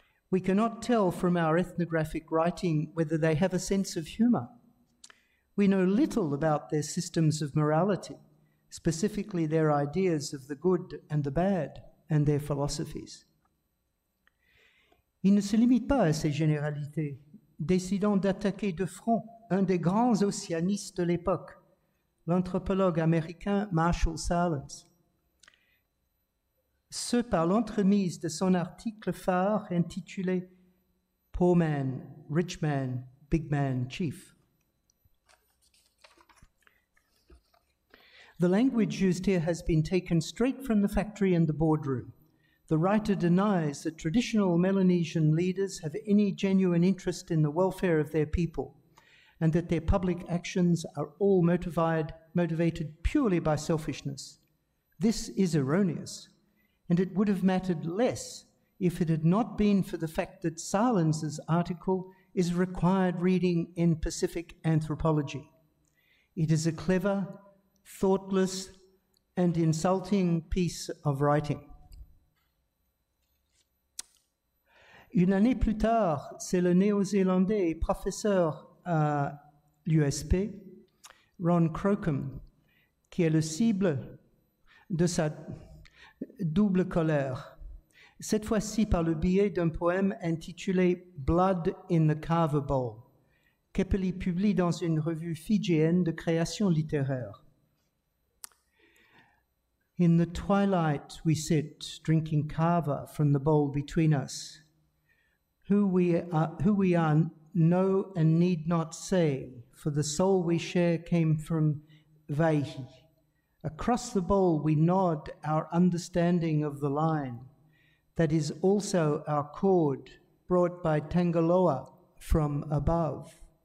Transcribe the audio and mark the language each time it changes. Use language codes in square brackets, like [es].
[en] We cannot tell from our ethnographic writing whether they have a sense of humor. We know little about their systems of morality, specifically their ideas of the good and the bad, and their philosophies. [fr] Il ne se limite pas à ces généralités, décidant d'attaquer de front un des grands océanistes de l'époque, l'anthropologue américain Marshall Salins. Ce par l'entremise de son article phare intitulé « [en] Poor man, rich man, big man, chief ». The language used here has been taken straight from the factory and the boardroom. The writer denies that traditional Melanesian leaders have any genuine interest in the welfare of their people, and that their public actions are all motivated purely by selfishness. This is erroneous, and it would have mattered less if it had not been for the fact that Salins's article is required reading in Pacific anthropology. It is a clever, thoughtless, and insulting piece of writing. [fr] Une année plus tard, c'est le Néo-Zélandais professeur à l'USP, Ron Crocombe, qui est le cible de sa double colère, cette fois-ci par le biais d'un poème intitulé « [en] Blood in the Carver Bowl [fr] », qu'Epeli publie dans une revue fidjienne de création littéraire. [en] In the twilight we sit, drinking kava from the bowl between us. Who we are, know and need not say, for the soul we share came from Vaihi. Across the bowl we nod our understanding of the line, that is also our cord brought by Tangaloa from above.